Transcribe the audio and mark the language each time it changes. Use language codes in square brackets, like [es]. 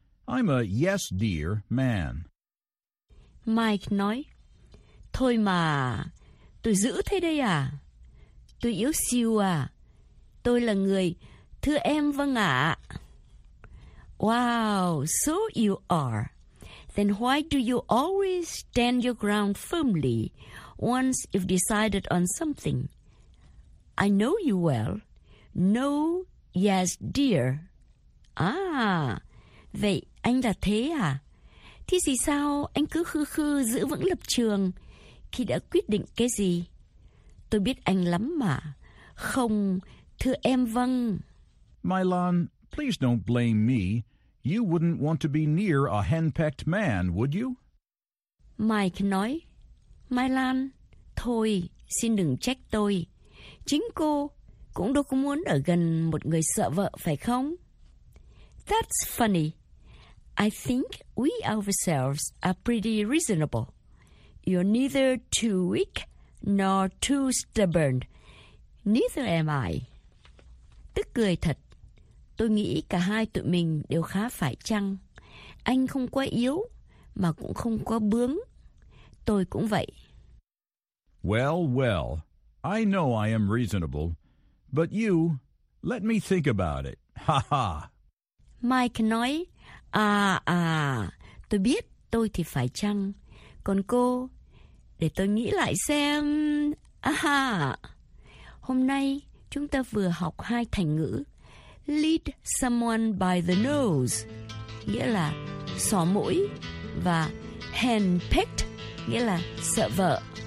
[en] I'm a yes, dear man. [vi] Mike nói, thôi mà, tôi giữ thế đây à? Tôi yếu xìu à? Tôi là người, thưa em vâng ạ. [en] Wow, so you are. Then why do you always stand your ground firmly once you've decided on something? I know you well. No, yes, dear. [vi] Ah, vậy anh là thế à? Thế thì sao anh cứ khư khư giữ vững lập trường khi đã quyết định cái gì? Tôi biết anh lắm mà. Không, thưa em vâng. [en] Mylon, please don't blame me. You wouldn't want to be near a henpecked man, would you? [vi] Mike nói, Mylon, thôi, xin đừng trách tôi. Chính cô cũng đâu có muốn ở gần một người sợ vợ, phải không? [en] That's funny. I think we ourselves are pretty reasonable. You're neither too weak nor too stubborn. Neither am I. [vi] Tức cười thật. Tôi nghĩ cả hai tụi mình đều khá phải chăng. Anh không quá yếu, mà cũng không quá bướng. Tôi cũng vậy. [en] Well, well, I know I am reasonable. But you, let me think about it. Ha ha. [vi] Mike nói, à à, tôi biết tôi thì phải chăng. Còn cô, để tôi nghĩ lại xem. À ha. Hôm nay, chúng ta vừa học hai thành ngữ. [en] Lead someone by the nose, [vi] nghĩa là xỏ mũi, và handpicked, nghĩa là sợ vợ.